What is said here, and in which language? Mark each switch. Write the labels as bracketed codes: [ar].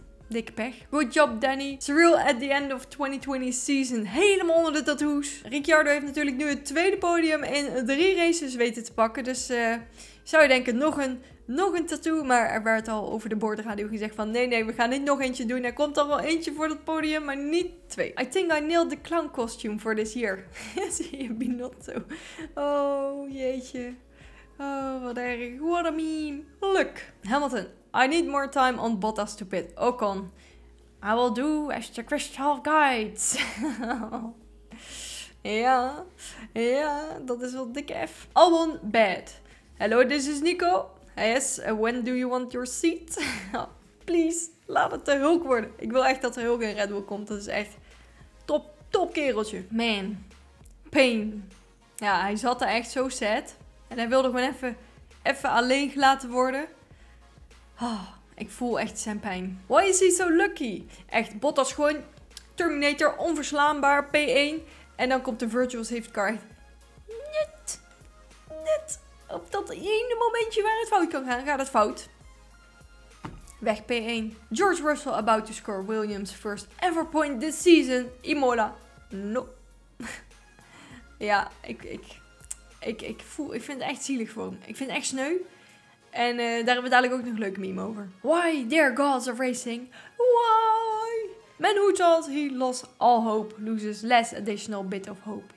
[nl] Dikke pech. [en] Good job, Danny. Surreal at the end of 2020 season. [nl] Helemaal onder de tattoos. Ricciardo heeft natuurlijk nu het tweede podium in 3 races weten te pakken. Dus zou je denken, nog een tattoo. Maar er werd al over de boordradio gezegd van... Nee, we gaan niet nog eentje doen. Er komt al wel eentje voor dat podium, maar niet 2. [en] I think I nailed the clown costume for this year. [nl] Zie je, Binotto. Oh, jeetje. Oh, wat erg. [en] What a meme. Look. Hamilton. I need more time on Bottas to pit. Ocon. I will do as the crystal guides. [nl] Ja. Ja, dat is wel dikke F. Albon, bad. [en] Hello, this is Nico. Yes, when do you want your seat? Please, [nl] laat het de Hulk worden. Ik wil echt dat de Hulk in Red Bull komt. Dat is echt top, top kereltje. Man. Pain. Ja, hij zat er echt zo sad. En hij wilde gewoon even alleen gelaten worden. Oh, ik voel echt zijn pijn. [en] Why is he so lucky? [nl] Echt, Bottas gewoon Terminator, onverslaanbaar, P1. En dan komt de Virtual Safety Car. Net. Op dat ene momentje waar het fout kan gaan, gaat het fout. Weg P1. [en] George Russell about to score Williams' first ever point this season. Imola. No. [nl] Ja, ik vind het echt zielig voor hem. Ik vind het echt sneu. En daar hebben we dadelijk ook nog een leuke meme over. [en] Why, dear gods of racing? Why? Man who thought he lost all hope loses less additional bit of hope.